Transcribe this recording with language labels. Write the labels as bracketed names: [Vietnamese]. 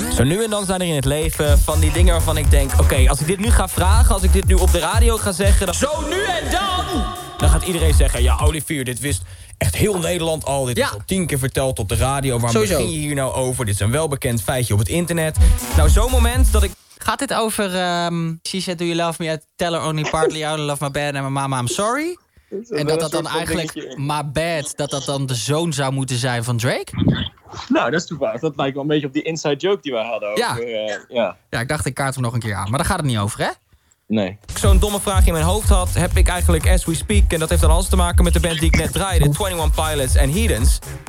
[Dutch] Zo nu en dan zijn er in het leven van die dingen waarvan ik denk... Oké, als ik dit nu ga vragen, als ik dit nu op de radio ga zeggen... Zo nu en dan! Dan gaat iedereen zeggen, ja, Olivier, dit wist echt heel Nederland al. Dit is al 10 keer verteld op de radio. Waarom begin je hier nou over? Dit is een welbekend feitje op het internet. Nou, zo'n moment dat ik... Gaat dit over... [English] She said, do you love me? I tell her only partly. I love my bad and my mama, I'm sorry. [Dutch] En dat dan eigenlijk, [English] my bad, [Dutch] dat dat dan de zoon zou moeten zijn van Drake? Nou, dat is toevallig. Dat lijkt wel een beetje op die inside joke die we hadden. Ja, ik dacht, ik kaart hem nog een keer aan. Maar daar gaat het niet over, hè? Nee. Als ik zo'n domme vraag in mijn hoofd had, heb ik eigenlijk As We Speak. En dat heeft dan alles te maken met de band die ik net draaide. 21 Pilots en Heathens.